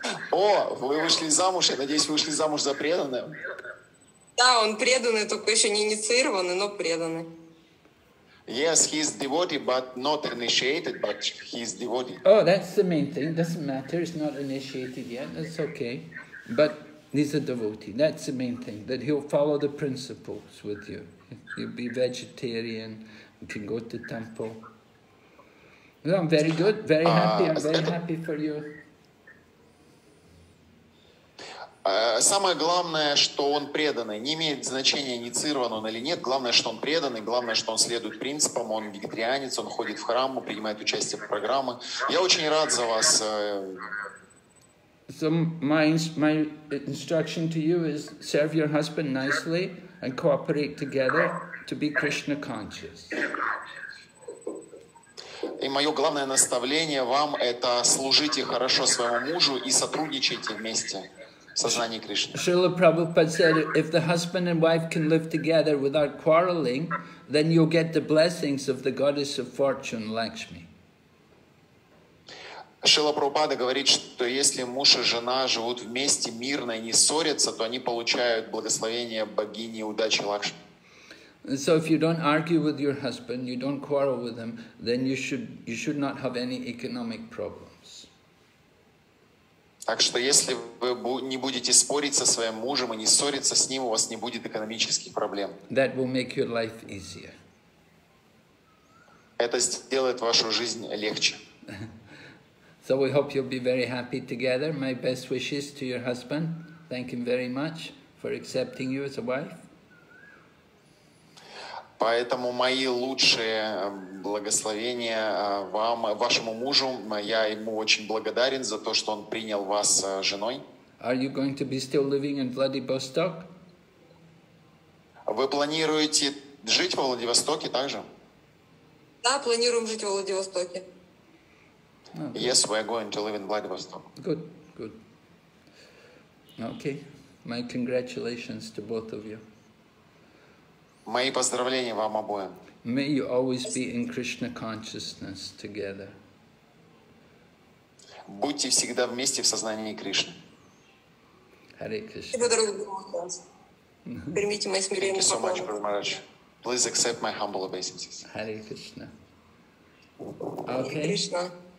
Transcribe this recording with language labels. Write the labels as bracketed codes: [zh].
[ru] О, вы вышли замуж, я надеюсь, вы вышли замуж за преданным. Да, он преданный, только еще не инициированный, но преданный. [en] Yes, he is devotee, but not initiated, but he is devotee. Oh, that's the main thing, doesn't matter, he's not initiated yet, that's okay. But he's a devotee, that's the main thing, that he'll follow the principles with you. He'll be vegetarian, he can go to temple. Well, I'm very good, very happy, I'm very happy for you. [ru] Самое главное, что он преданный. Не имеет значения, инициирован он или нет. Главное, что он преданный. Главное, что он следует принципам. Он вегетарианец, он ходит в храм, принимает участие в программе. Я очень рад за вас. [en] So my instruction to you is serve your husband nicely and cooperate together to be Krishna conscious. [ru] И мое главное наставление вам — это служите хорошо своему мужу и сотрудничайте вместе в сознании Кришны. [en] Srila Prabhupada said, if the husband and wife can live together without quarreling, then you'll get the blessings of the goddess of fortune, Lakshmi. [ru] Srila Prabhupada говорит, что если муж и жена живут вместе мирно и не ссорятся, то они получают благословение богини удачи Лакшми. [en] And so if you don't argue with your husband, you don't quarrel with him, then you should not have any economic problems. [ru] Так что если вы не будете спорить со своим мужем и не ссориться с ним, у вас не будет экономических проблем. [en] That will make your life easier. [ru] Это сделает вашу жизнь легче. [en] So we hope you'll be very happy together. My best wishes to your husband. Thank him very much for accepting you as a wife. [ru] Поэтому мои лучшие благословения вам, вашему мужу. Я ему очень благодарен за то, что он принял вас женой. [en] Are you going to be still living in Vladivostok? [ru] Вы планируете жить во Владивостоке также? Да, планируем жить во Владивостоке. [en] Okay. Yes, we are going to live in Vladivostok. Good, good. Okay, my congratulations to both of you. [ru] Мои поздравления вам обоим. [en] May you always be in Krishna consciousness together. [ru] Будьте всегда вместе в сознании Кришны. [en] Hare Krishna. [ru] Примите мои смиренные поклоны. [en] Thank you so much, Guru Maharaj. Please accept my humble obeisances. Hare Krishna. Okay. Krishna.